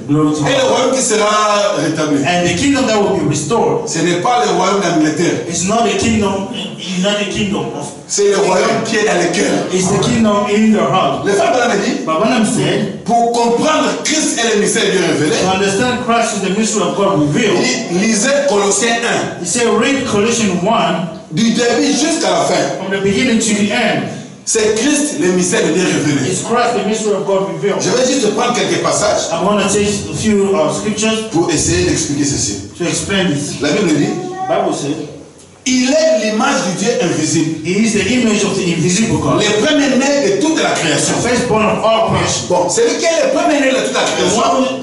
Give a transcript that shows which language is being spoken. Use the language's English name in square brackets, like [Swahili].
[English] Glory to God. [French] Et le royaume qui sera rétabli. [English] And the kingdom that will be restored. [French] Ce n'est pas le royaume d'Angleterre. [English] It's not the kingdom. It's not the kingdom of. [French] C'est le royaume qui est dans le cœur. [English] It's the kingdom in your heart. [French] Le frère Branham a dit. [English] But Branham said. [French] Pour comprendre Christ et le mystère de Dieu révélé. [English] To understand Christ and the mystery of God revealed. [French] Lisez Colossiens 1. [English] He said, read Colossians 1. [French] Du début jusqu'à la fin. [English] From the beginning to the end. [French] C'est Christ le mystère de Dieu révélé. [English] It's Christ the mystery of God revealed. [French] Je vais juste prendre quelques passages. [English] I'm going to take a few scriptures. [French] Pour essayer d'expliquer ceci. [English] To explain this. [French] La Bible dit. [English] Bible says. [French] Il est l'image du Dieu invisible. [English] He is the image of the invisible God. [French] Le premier né de toute la création. [English] The firstborn of all creation. [French] Bon, celui qui est le premier né de toute la création.